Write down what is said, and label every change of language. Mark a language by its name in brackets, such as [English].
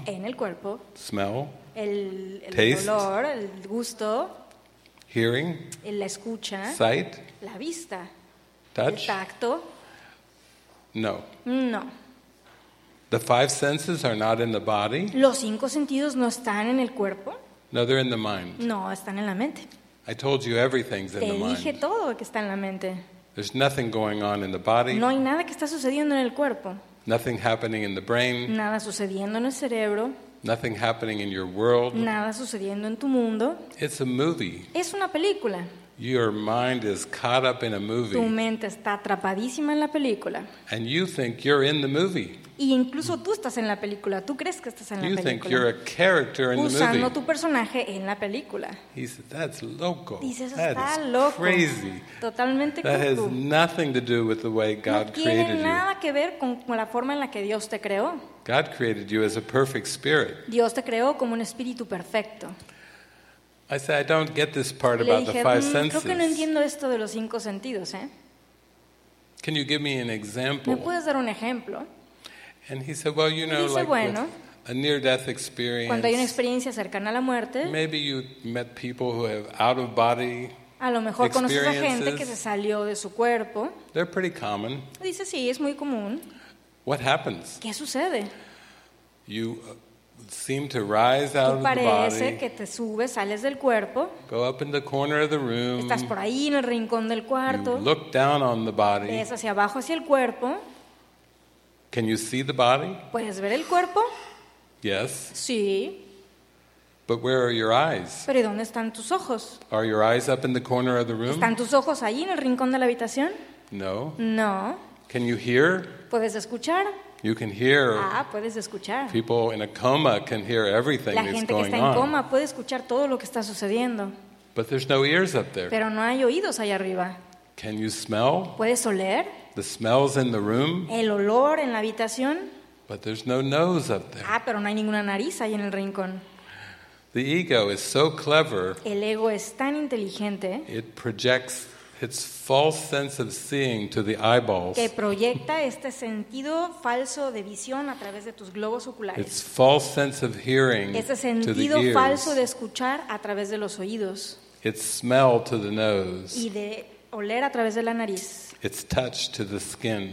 [Spanish] En el cuerpo. [English] Smell. [Spanish] El [English] taste, [Spanish] olor, el gusto. [English] Hearing. [Spanish] La escucha. [English] Sight. [Spanish] La vista. [English] Touch. [Spanish] El tacto. [English] No. [Spanish] No. [English] The five senses are not in the body. [Spanish] Los cinco sentidos no están en el cuerpo. [English] No, they're in the mind. [Spanish] No, están en la mente. [English] I told you everything's in the mind. [Spanish] Te dije todo que está en la mente. [English] There's nothing going on in the body. [Spanish] No hay nada que está sucediendo en el cuerpo. [English] Nothing happening in the brain. [Spanish] Nada sucediendo en el cerebro. [English] Nothing happening in your world. [Spanish] Nada sucediendo en tu mundo. [English] It's a movie. [Spanish] Es una película. [English] Your mind is caught up in a movie. [Spanish] Tu mente está atrapadísima en la película. [English] And you think you're in the movie. [Spanish] Y incluso tú estás en la película. Tú crees que estás en la película. [English] You think you're a character in the movie. [Spanish] Usando tu personaje en la película. [English] He said, "That's loco." [Spanish] Dices, eso está loco. [English] Crazy. [Spanish] Totalmente [English] cuco. That has nothing to do with the way God created you. [Spanish] No tiene nada que ver con la forma en la que Dios te creó. [English] God created you as a perfect spirit. [Spanish] Dios te creó como un espíritu perfecto. [English] I said, "I don't get this part about the five senses." [Spanish] Creo que no entiendo esto de los cinco sentidos, ¿eh? [English] Can you give me an example? [Spanish] ¿Me puedes dar un ejemplo? [English] And he said, "Well, you know, [Spanish] dice, [English] like [Spanish] bueno, [English] a near-death experience." [Spanish] Cuando hay una experiencia cercana a la muerte. [English] Maybe you met people who have out-of-body [Spanish] experiences. A lo mejor conoces a gente que se salió de su cuerpo. [English] They're pretty common. [Spanish] Dice, sí, es muy común. [English] What happens? [Spanish] ¿Qué sucede? [English] You seem to rise out of the body. [Spanish] Parece que te subes, sales del cuerpo. [English] Go up in the corner of the room. [Spanish] Estás por ahí en el rincón del cuarto. [English] You look down on the body. [Spanish] Ves hacia abajo hacia el cuerpo. [English] Can you see the body? [Spanish] ¿Puedes ver el cuerpo? [English] Yes. [Spanish] Sí. [English] But where are your eyes? [Spanish] ¿Pero dónde están tus ojos? [English] Are your eyes up in the corner of the room? [Spanish] ¿Están tus ojos ahí en el rincón de la habitación? [English] No. [Spanish] No. [English] Can you hear? [Spanish] ¿Puedes escuchar? [English] You can hear. [Spanish] Ah, puedes escuchar. [English] People in a coma can hear everything that's going on. [Spanish] La gente que está en coma puede escuchar todo lo que está sucediendo. [English] But there's no ears up there. [Spanish] Pero no hay oídos allá arriba. [English] Can you smell? [Spanish] ¿Puedes oler? [English] The smells in the room. [Spanish] El olor en la habitación. [English] But there's no nose up there. [Spanish] Ah, pero no hay ninguna nariz ahí en el rincón. [English] The ego is so clever. [Spanish] El ego es tan inteligente. [English] It projects its false sense of seeing to the eyeballs. [Spanish] Que proyecta este sentido falso de visión a través de tus globos oculares. [English] Its false sense of hearing. [Spanish] Ese sentido falso de escuchar a través de los oídos. [English] Its smell to the nose. [Spanish] Y de oler a través de la nariz. [English] It's touch to the skin.